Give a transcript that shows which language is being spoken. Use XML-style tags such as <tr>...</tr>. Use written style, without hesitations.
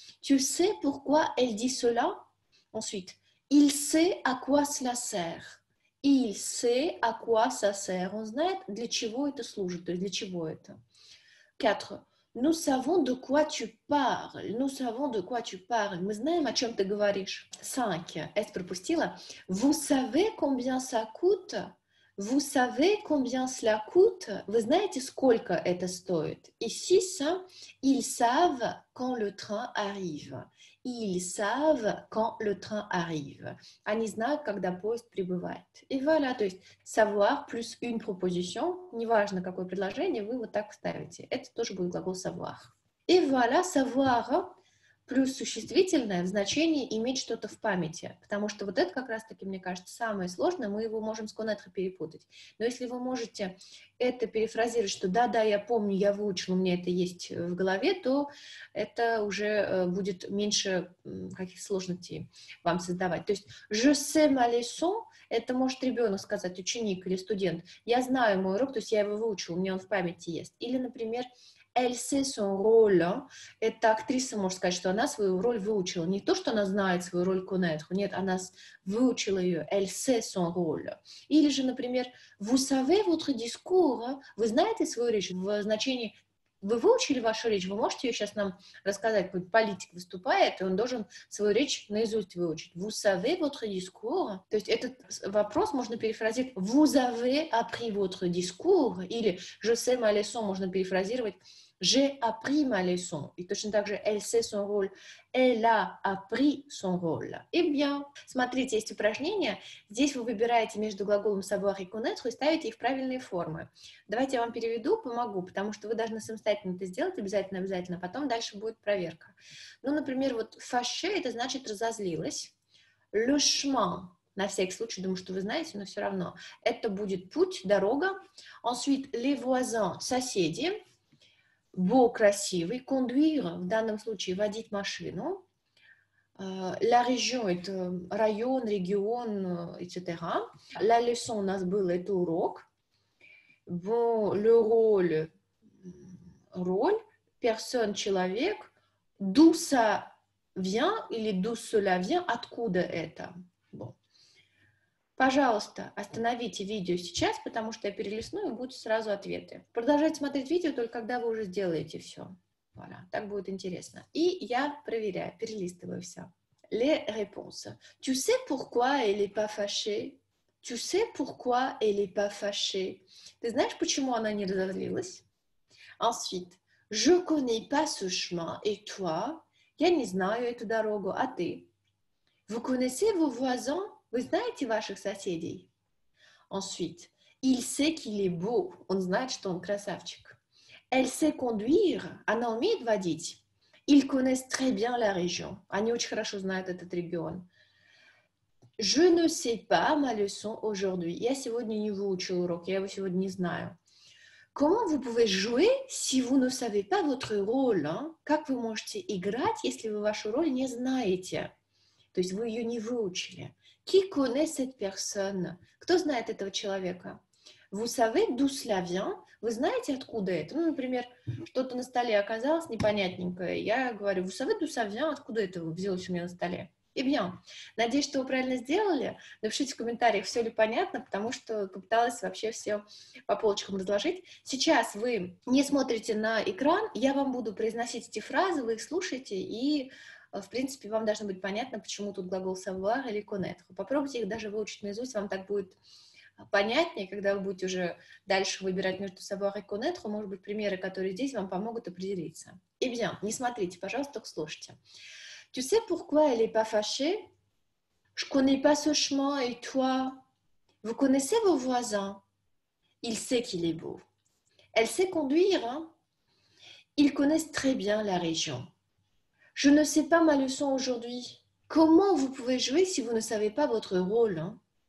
<fr>Tu sais pourquoi elle dit cela? Ensuite, il sait à quoi cela sert. Il sait à quoi ça sert.</fr> <ru>Он знает, для чего это служит, то есть для чего это.</ru> <fr>Quatre, nous savons de quoi tu parles. Nous savons de quoi tu parles.</fr> <ru>Мы знаем, о чем ты говоришь.</ru> <fr>Cinq, est-ce</fr> <ru>пропустила?</ru> <fr>Vous savez combien ça coûte? Vous savez combien cela coûte?</fr> <ru>Вы знаете, сколько это стоит?</ru> <fr>И six, ils savent quand le train arrive. Ils savent quand le train arrive.</fr> <ru>Они знают, когда поезд прибывает.</ru> <fr>Et voilà,</fr> <ru>то есть</ru> <fr>savoir plus une proposition,</fr> <ru>неважно какое предложение, вы вот так ставите. Это тоже будет глагол savoir. Et voilà, savoir плюс существительное в значении иметь что-то в памяти, потому что вот это как раз-таки, мне кажется, самое сложное, мы его можем с connaître перепутать. Но если вы можете это перефразировать, что да-да, я помню, я выучил, у меня это есть в голове, то это уже будет меньше каких сложностей вам создавать. То есть</ru> <fr>«je sais ma leçon»</fr> <ru>— это может ребенок сказать, ученик или студент. «Я знаю мой урок», то есть я его выучил, у меня он в памяти есть. Или, например,</ru> <fr>«Elle sait son rôle».</fr> <ru>Это актриса может сказать, что она свою роль выучила. Не то, что она знает свою роль connaître. Нет, она выучила ее.</ru> <fr>«Elle sait son rôle».</fr> <ru>Или же, например,</ru> <fr>«Vous savez votre discours?»</fr> <ru>Вы знаете свою речь? В значении «Вы выучили вашу речь?» Вы можете ее сейчас нам рассказать? Какой политик выступает, и он должен свою речь наизусть выучить.</ru> <fr>«Vous savez votre discours?»</fr> <ru>То есть этот вопрос можно перефразить</ru> <fr>«Vous avez appris votre discours?»</fr> <ru>Или</ru> <fr>«Je sais ma leçon»</fr> <ru>можно перефразировать</ru> <fr>«J'ai appris ma leçon».</fr> <ru>И точно так же</ru> <fr>«Elle sait son rôle?» «Elle a appris son rôle?» Eh bien,</fr> <ru>смотрите, есть упражнение. Здесь вы выбираете между глаголом «savoir» и «connaître» и ставите их в правильные формы. Давайте я вам переведу, помогу, потому что вы должны самостоятельно это сделать, обязательно-обязательно, потом дальше будет проверка. Ну, например, вот «fâché» — это значит «разозлилась». «Le chemin» — на всякий случай, думаю, что вы знаете, но все равно. Это будет путь, дорога.</ru> <fr>Ensuite, «les voisins» —</fr> <ru>«соседи».</ru> <fr>«Beau» —</fr> <ru>«красивый». «Conduire» — в данном случае «водить машину». «La région» — это «район», «регион», etc.</ru> <fr>«La leçon»</fr> <ru>— у нас был, это «урок».</ru> <fr>«Bon», «le rôle» —</fr> <ru>роль, персон, человек,</ru> <fr>d'où ça vient</fr> <ru>или</ru> <fr>d'où cela vient,</fr> <ru>откуда это.</ru> <fr>Bon.</fr> <ru>Пожалуйста, остановите видео сейчас, потому что я перелистну и будут сразу ответы. Продолжайте смотреть видео только когда вы уже сделаете все.</ru> <fr>Voilà.</fr> <ru>Так будет интересно. И я проверяю, перелистываю все.</ru> <fr>Les réponses. Tu sais pourquoi elle est pas fâchée? Tu sais pourquoi elle est pas fâchée?</fr> <ru>Ты знаешь, почему она не разозлилась?</ru> <fr>Ensuite, je connais pas ce chemin, et toi?</fr> <ru>Я не знаю эту дорогу, а ты?</ru> <fr>Vous connaissez vos voisins?</fr> <ru>Вы знаете ваших соседей?</ru> <fr>Ensuite, il sait qu'il est beau.</fr> <ru>Он знает, что он красавчик.</ru> <fr>Elle sait conduire.</fr> <ru>Она умеет водить.</ru> <fr>Ils connaissent très bien la région.</fr> <ru>Они очень хорошо знают этот регион.</ru> <fr>Je ne sais pas ma leçon aujourd'hui.</fr> <ru>Я сегодня не выучил урок, я его сегодня не знаю.</ru> <fr>Comment vous pouvez jouer si vous ne savez pas votre rôle, hein?</fr> <ru>Как вы можете играть, если вы вашу роль не знаете? То есть вы ее не выучили.</ru> <fr>Qui connaît cette personne?</fr> <ru>Кто знает этого человека?</ru> <fr>Vous savez d'où cela vient?</fr> <ru>Вы знаете, откуда это? Ну, например, что-то на столе оказалось непонятненькое. Я говорю,</ru> <fr>vous savez d'où ça vient?</fr> <ru>Откуда это взялось у меня на столе?</ru> <fr>Eh bien,</fr> <ru>надеюсь, что вы правильно сделали. Напишите в комментариях, все ли понятно, потому что попыталась вообще все по полочкам разложить. Сейчас вы не смотрите на экран, я вам буду произносить эти фразы, вы их слушаете, и, в принципе, вам должно быть понятно, почему тут глагол savoir или connaître. Попробуйте их даже выучить наизусть, вам так будет понятнее, когда вы будете уже дальше выбирать между savoir и connaître, может быть, примеры, которые здесь, вам помогут определиться.</ru> <fr>Eh bien,</fr> <ru>не смотрите, пожалуйста, только слушайте.</ru> <fr>Tu sais pourquoi elle est pas fâchée? Je connais pas ce chemin et toi? Vous connaissez vos voisins? Il sait qu'il est beau. Elle sait conduire, hein? Ils connaissent très bien la région. Je ne sais pas ma leçon aujourd'hui. Comment vous pouvez jouer si vous ne savez pas votre rôle, hein?</fr>